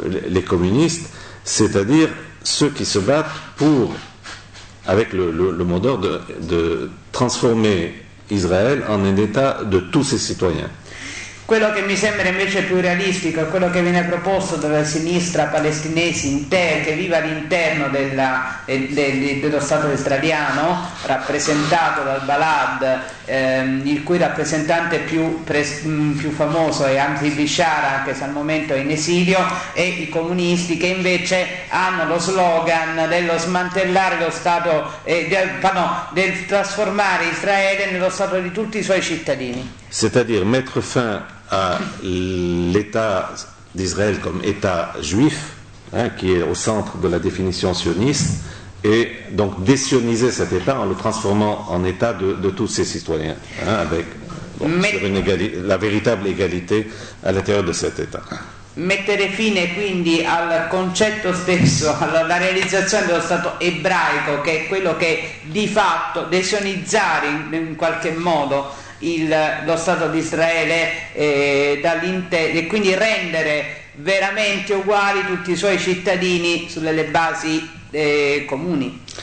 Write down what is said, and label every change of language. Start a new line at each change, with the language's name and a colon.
French: les communistes, c'est-à-dire ceux qui se battent pour, avec le mot d'ordre, de transformer Israël en un État de tous ses citoyens.
Italian: Quello che mi sembra invece più realistico è quello che viene proposto dalla sinistra palestinese che vive all'interno dello Stato israeliano, rappresentato dal Balad, il cui rappresentante più famoso è Amri Bishara, anche se al momento è in esilio, e i comunisti che invece hanno lo slogan dello smantellare lo Stato, del trasformare Israele nello Stato di tutti i suoi cittadini.
French: C'est-à-dire mettre fin à l'État d'Israël comme État juif, hein, qui est au centre de la définition sioniste, et donc désioniser cet État en le transformant en État de tous ses citoyens, hein, avec la véritable égalité à l'intérieur de cet État.
Italian: Mettere fine quindi al concetto stesso, alla realizzazione dello Stato ebraico, che è quello che di fatto desionizzare in qualche modo lo Stato di Israele e quindi rendere veramente uguali tutti i suoi cittadini sulle basi comuni.